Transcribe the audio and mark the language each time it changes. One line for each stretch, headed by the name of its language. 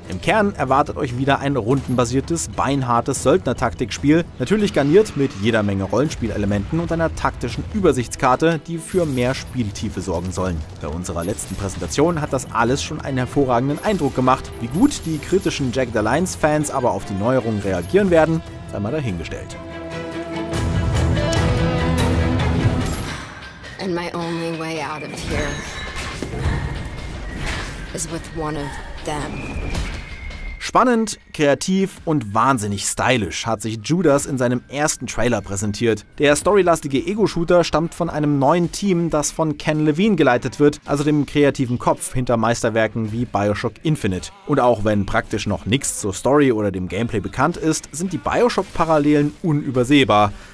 German: Im Kern erwartet euch wieder ein rundenbasiertes, beinhartes Söldner-Taktikspiel, natürlich garniert mit jeder Menge Rollenspielelementen und einer taktischen Übersichtskarte, die für mehr Spieltiefe sorgen sollen. Bei unserer letzten Präsentation hat das alles schon einen hervorragenden Eindruck gemacht. Wie gut die kritischen Jagged Alliance-Fans aber auf die Neuerung reagieren werden, sei mal dahingestellt.
English: And my only way out of here is with one of them.
German: Spannend, kreativ und wahnsinnig stylisch hat sich Judas in seinem ersten Trailer präsentiert. Der storylastige Ego-Shooter stammt von einem neuen Team, das von Ken Levine geleitet wird, also dem kreativen Kopf hinter Meisterwerken wie Bioshock Infinite. Und auch wenn praktisch noch nichts zur Story oder dem Gameplay bekannt ist, sind die Bioshock-Parallelen unübersehbar.